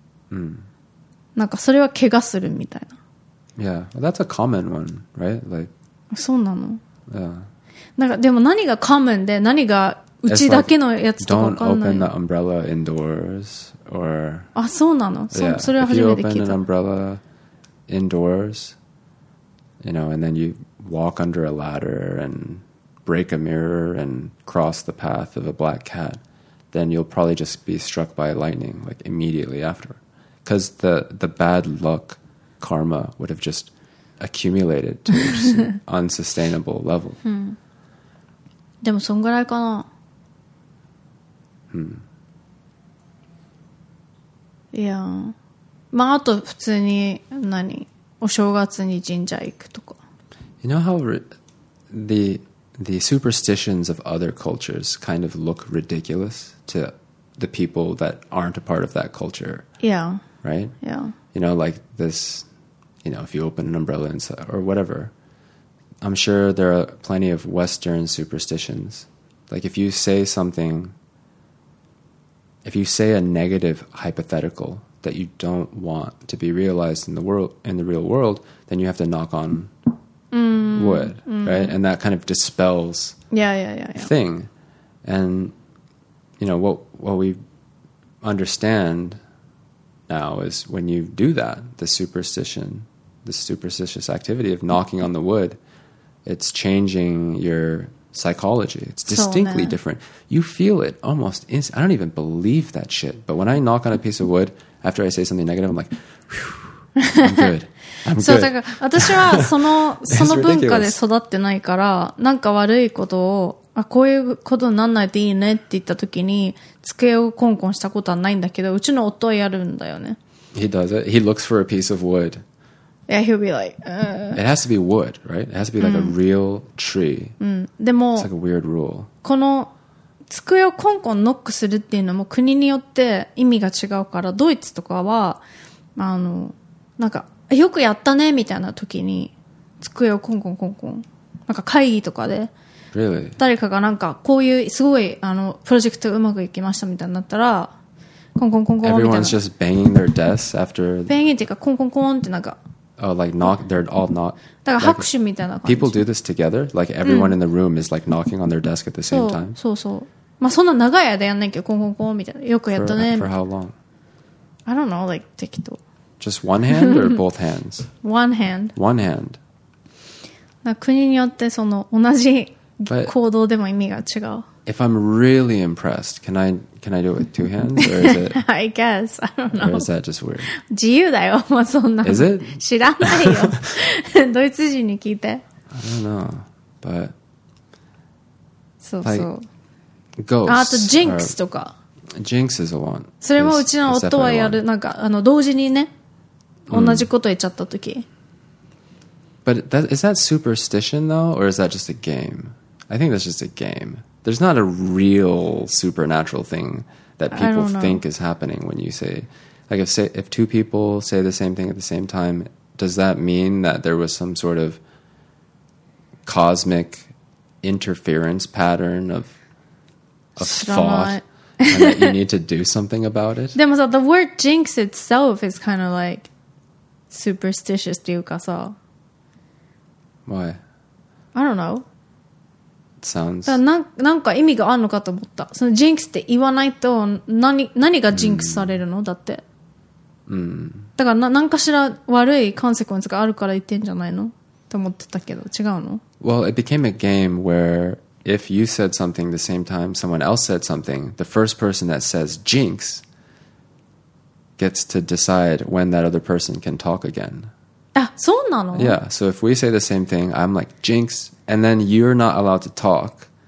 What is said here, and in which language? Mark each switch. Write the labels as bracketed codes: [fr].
[ja] うん。なんかそれは怪我するみたいな。 [en] Yeah, well, that's a common one, right? Like, [ja] そうなの? [en] Yeah. [ja] なんかでも何が common で何がうちだけのやつとか分かんない。 [en] Don't open the umbrella indoors or [ja] あ、そうなの? [en] Yeah. [ja] それは初めて聞いた。 [en] If you open an umbrella indoors, you know, and then you walk under a ladder and break a mirror and cross the path of a black cat, then you'll probably just be struck by lightning like immediately after. Because the bad luck karma would have just accumulated to an unsustainable level. [ja] でもそんぐらいかな。いや、まああと普通に何お正月に神社行くとか。 [en] You know how the superstitions of other cultures kind of look ridiculous to the people that aren't a part of that culture? Yeah. Right? Yeah. You know, like this, you know, if you open an umbrella inside or whatever, I'm sure there are plenty of Western superstitions. Like if you say something, if you say a negative hypothetical that you don't want to be realized in the world, in the real world, then you have to knock on wood, right? And that kind of dispels thing. And, you know, what we understand now is when you do that, the superstition, the superstitious activity of knocking on the wood, it's changing your psychology. It's distinctly different. You feel it almost instantly. I don't even believe that shit. But when I knock on a piece of wood, after I say something negative, I'm like, whew, I'm good. [ja] そうだから私はその文化で育ってないからなんか悪いことをあこういうことになんないといいねって言った時に机をコンコンしたことはないんだけどうちの夫はやるんだよね。 [en] He does it. He looks for a piece of wood. Yeah, he'll be like, It has to be wood, right? It has to be like a real tree. [ja] でも、 [en] It's like a weird rule. [ja] この机をコンコンノックするっていうのも国によって意味が違うからドイツとかはあのなんかよくやったねみたいな時に机をコンコンコンコンなんか会議とかで誰かがなんかこういうすごいあのプロジェクトうまくいきましたみたいになったらコンコンコンコンみたいな [en] Everyone's just banging their desks after [ja] banging っていうかコンコンコンってなんか [en] like knock they're all knock [ja] だから拍手みたいな感じ [en] People do this together like everyone in the room is like knocking on their desk at the same time [ja] そうそうまあそんな長い間やんないけどコンコンコンみたいなよくやったね [en] For how long? I don't know like 適当 Just one hand or both hands? One hand. One hand. [ja] 国によってその同じ行動でも意味が違う。 [en] If I'm really impressed, can I do it with two hands? Or is it, I guess. I don't know. Or is that just weird? [ja] 自由だよ。まあそんな。 [en] Is it? [ja] 知らないよ。ドイツ人に聞いて。 [en] I don't know. But... [ja] そうそう。 [en] Like, ghosts. [ja] あとジンクスとか。 [en] Jinx is a one. [ja] それもうちの夫はやる。なんかあの同時にね。同じこと言っちゃったとき。 [en] But that, is that superstition though, or is that just a game? I think that's just a game. There's not a real supernatural thing that people think is happening when you say, like if two people say the same thing at the same time, does that mean that there was some sort of cosmic interference pattern of thought and that you need to do something about it? でもさ、the word jinx itself is kind of like,superstitious っていうかさ Why? I don't know It sounds [ja] なんか意味があるのかと思ったそのジンクスって言わないと 何がジンクスされるの、だってだから何かしら悪いコンセクエンスがあるから言ってんじゃないのと思ってたけど違うの [en] Well, it became a game where if you said something the same time someone else said something the first person that says jinxgets to decide when that other person can talk again. [ja] Ah, そうなの? [en] Yeah, so if we say the same thing, I'm like, jinx, and then you're not allowed to talk.